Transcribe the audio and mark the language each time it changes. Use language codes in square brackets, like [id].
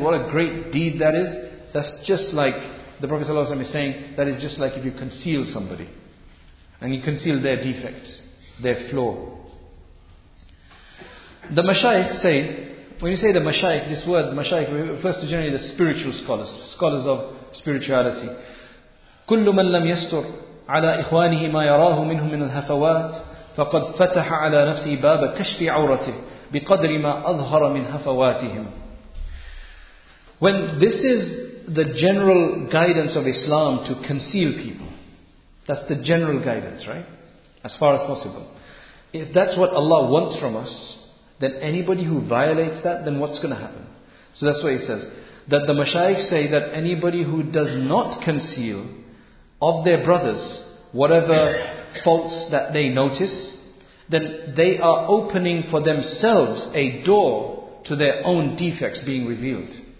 [en] What a great deed that is. That's just like the Prophet ﷺ is saying, that is just like if you conceal somebody and you conceal their defects, their flaw. The mashayikh say, when you say the mashayikh, this word mashayikh refers to generally the spiritual scholars, scholars of spirituality. [ar] كل من لم يستر على إخوانه ما يراه منه من الهفوات فقد فتح على نفسه باب كشف عورته بقدر ما أظهر من هفواتهم. [en] When this is the general guidance of Islam to conceal people, that's the general guidance, right? As far as possible. If that's what Allah wants from us, then anybody who violates that, then what's going to happen? So that's why he says that the mashayikh say that anybody who does not conceal of their brothers whatever faults that they notice, then they are opening for themselves a door to their own defects being revealed.